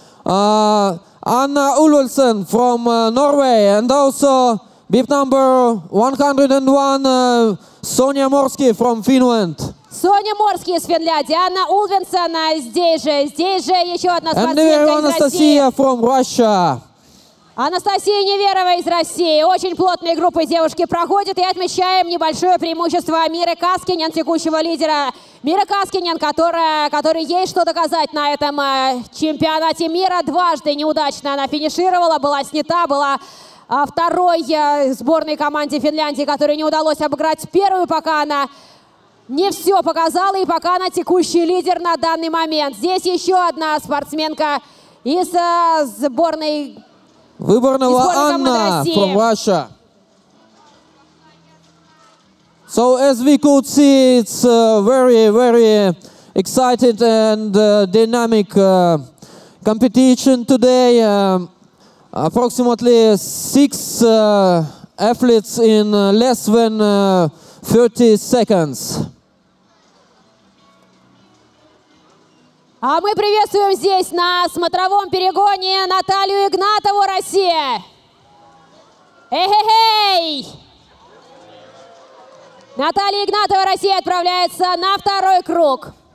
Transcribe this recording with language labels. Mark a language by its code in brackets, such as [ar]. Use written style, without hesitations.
[en] Anna Ulvalsen from Norway, and also bib number 101, Sonja Morski from Finland. [ru] Sonja Morski из Финляндии, Anna Ulvalsen здесь же еще одна спортсменка из России. [en] Anastasia from Russia. [ru] Анастасия Неверова из России. Очень плотные группы девушки проходят. И отмечаем небольшое преимущество Миры Каскинен, текущего лидера. Мира Каскинен, которой есть что доказать на этом чемпионате мира. Дважды неудачно она финишировала, была снята, была второй сборной команде Финляндии, которой не удалось обыграть первую, пока она не все показала. И пока она текущий лидер на данный момент. Здесь еще одна спортсменка из сборной [en] Выборного Анна from Russia. So as we could see, it's very, very excited and dynamic competition today. Approximately 6 athletes in less than 30 seconds. [ru] А мы приветствуем здесь на смотровом перегоне Наталью Игнатову, Россия. Эй! Наталья Игнатова, Россия, отправляется на второй круг.